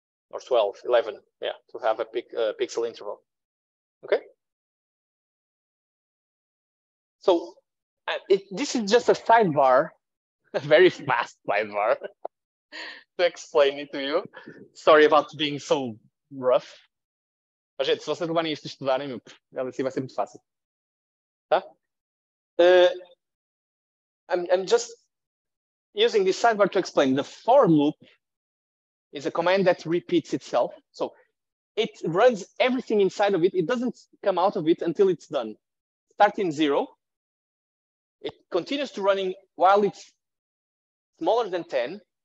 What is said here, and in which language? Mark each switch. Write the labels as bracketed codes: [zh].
[en] Or 12, 11, yeah, to have a pixel interval. Okay. So this is just a sidebar, a very fast sidebar to explain it to you. Sorry about being so rough. [pt] Mas, gente, se vocês levarem isto a estudarem, meu, ela assim vai ser muito fácil. Tá? [en] I'm just using this sidebar to explain the for loop. Is a command that repeats itself. So it runs everything inside of it. It doesn't come out of it until it's done. Starting zero, it continues to running while it's smaller than 10.